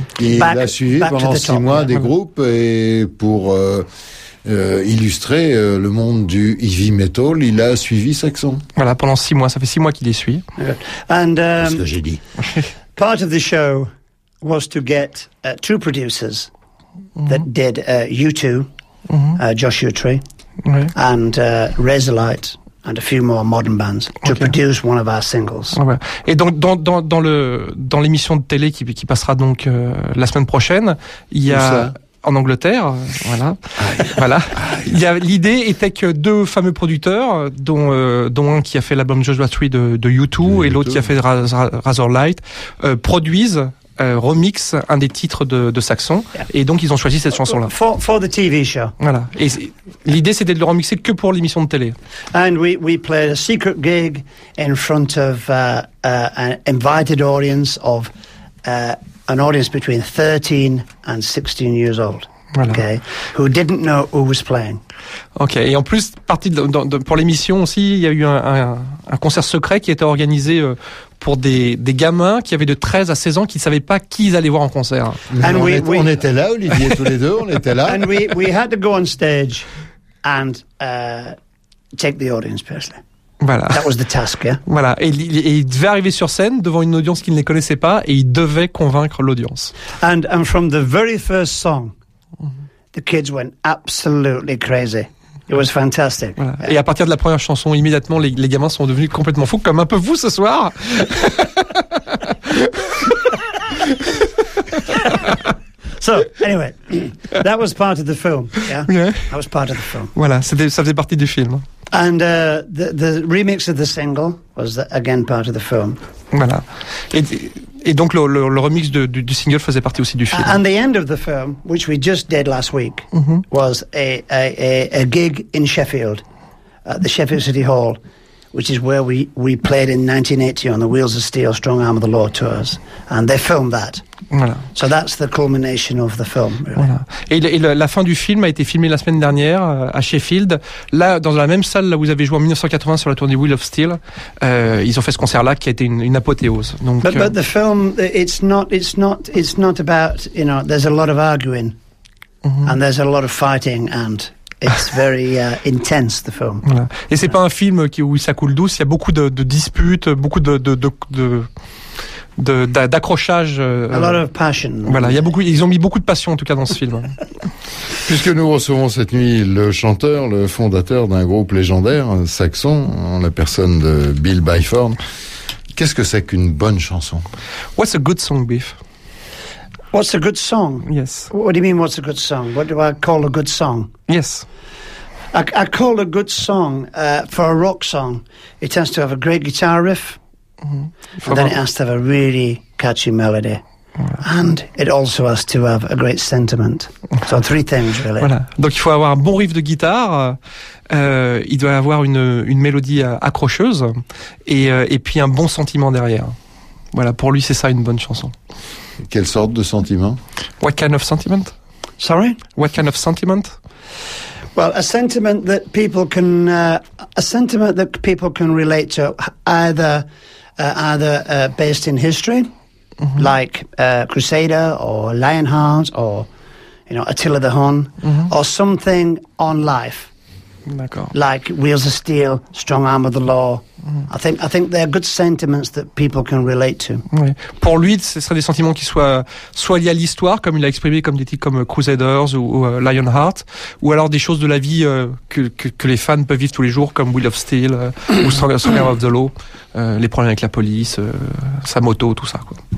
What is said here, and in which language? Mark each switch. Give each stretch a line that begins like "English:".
French: Il a suivi pendant 6 mois des groupes et pour illustrer le monde du heavy metal, il a suivi Saxon. Voilà, pendant 6 mois, ça fait 6 mois qu'il les suit.
English: And
French: c'est ce que j'ai dit.
English: Part of the show was to get two producers that did U2, Joshua Tree, and Razorlight. And a few more modern bands to produce one of our singles.
French: Ouais. Et donc dans l'émission de télé qui passera donc la semaine prochaine, il y a en Angleterre, voilà. Aïe. Voilà. Aïe. L'idée était que deux fameux producteurs dont un qui a fait l'album Joshua Tree de U2 et l'autre qui a fait Razorlight produisent remixe un des titres de Saxon. Yeah. Et donc, ils ont choisi cette chanson-là.
English: For the TV show.
French: Voilà. Et l'idée, c'était de le remixer que pour l'émission de télé.
English: And we played a secret gig in front of an invited audience of an audience between 13 and 16 years old.
French: Voilà. Okay.
English: Who didn't know who was playing.
French: Ok, et en plus, pour l'émission aussi, il y a eu un concert secret qui était organisé pour des gamins qui avaient de 13 à 16 ans qui ne savaient pas qui ils allaient voir en concert. And on était là, Olivier, tous les deux, on était là.
English: And we had to go on stage and take the audience personally.
French: Voilà.
English: That was the task, yeah?
French: Voilà. Et il devait arriver sur scène devant une audience qu'il ne connaissait pas et il devait convaincre l'audience.
English: And from the very first song, the kids went absolutely crazy. It was fantastic.
French: Voilà. Et à partir de la première chanson, immédiatement, les gamins sont devenus complètement fous, comme un peu vous ce soir.
English: So, anyway, that was part of the film. Yeah? Yeah. That was part of the film.
French: Voilà, ça faisait partie du film.
English: And the remix of the single was again part of the film.
French: Voilà. Et donc le remix du single faisait partie aussi du film.
English: And the end of the film, which we just did last week, mm-hmm. was a gig in Sheffield, at the Sheffield City Hall, which is where we played in 1980 on the Wheels of Steel, Strong Arm of the Law tours, and they filmed that.
French: Voilà.
English: So that's the culmination of the film. Really. Voilà.
French: Et la fin du film a été filmée la semaine dernière à Sheffield, là dans la même salle là où vous avez joué en 1980 sur la tournée Wheel of Steel. Ils ont fait ce concert-là qui a été une apothéose. Donc,
English: but the film, it's not about, you know, there's a lot of arguing, mm-hmm. and there's a lot of fighting and. It's very intense, the film.
French: Voilà. Et c'est pas un film où ça coule douce. Il y a beaucoup de disputes, beaucoup de d'accrochages.
English: A lot of passion.
French: Voilà. Il y a beaucoup. Ils ont mis beaucoup de passion en tout cas dans ce film. Puisque nous recevons cette nuit le chanteur, le fondateur d'un groupe légendaire, Saxon, en la personne de Bill Byford. Qu'est-ce que c'est qu'une bonne chanson?
English: What's a good song, Biff? What's a good song? Yes. What do you mean, what's a good song? What do I call a good song? Yes. I call a good song, for a rock song, it has to have a great guitar riff, mm-hmm. and then it has to have a really catchy melody. Voilà. And it also has to have a great sentiment. So three things, really.
French: Voilà. Donc il faut avoir un bon riff de guitare, il doit avoir une mélodie accrocheuse, et puis un bon sentiment derrière. Voilà, pour lui, c'est ça, une bonne chanson. Quelle sorte de sentiment?
English: What kind of sentiment? Sorry? What kind of sentiment? Well, a sentiment that people can relate to, either based in history, mm-hmm. like Crusader or Lionheart or, you know, Attila the Hun, mm-hmm. or something on life.
French: D'accord.
English: Like Wheels of Steel, Strong Arm of the Law. Mm. I think they're good sentiments that people can relate to.
French: Oui. Pour lui, ce serait des sentiments qui soient liés à l'histoire, comme il a exprimé, comme des titres comme Crusaders ou Lionheart, ou alors des choses de la vie que les fans peuvent vivre tous les jours, comme Wheels of Steel ou Strong Arm of the Law, les problèmes avec la police, sa moto, tout ça, quoi.